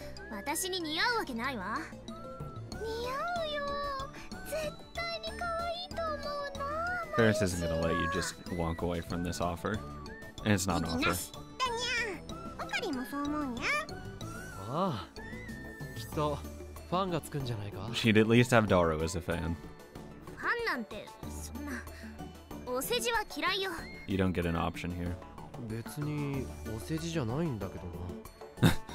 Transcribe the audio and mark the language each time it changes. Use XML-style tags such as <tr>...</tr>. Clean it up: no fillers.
<ja>私に似合うわけないわ。似合うよ。絶対に可愛いと思うな。</ja> <en>Ferris isn't gonna let you just walk away from this offer. And it's not an offer.</en> <ja>オカリもそう思うにゃ。ああ、きっとファンがつくんじゃないか。</ja> <en>She'd at least have Daru as a fan.</en> <ja>ファンなんて、そんな、お世辞は嫌いよ。</ja> <en>You don't get an option here.</en> <ja>別にお世辞じゃないんだけどな。</ja>